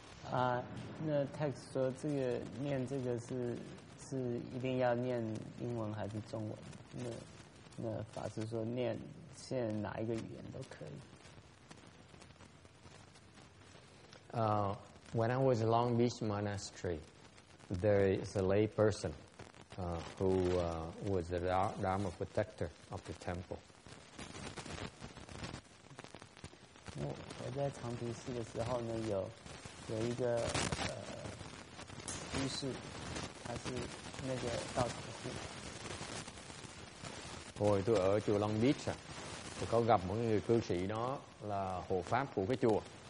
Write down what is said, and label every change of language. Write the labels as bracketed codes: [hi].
[zh] 啊，那 text 说这个念这个是一定要念英文还是中文？那法师说念。现在哪一个语言都可以。 [en] When I was in Long Beach Monastery, there is a lay person who was the Dharma protector of the temple. [zh] 我在长平寺的时候呢，有一个居士，他是那个道场寺。 [vi] Hồi tôi ở chùa Long Beach. Tôi có gặp một người cư sĩ đó là hộ pháp của cái chùa.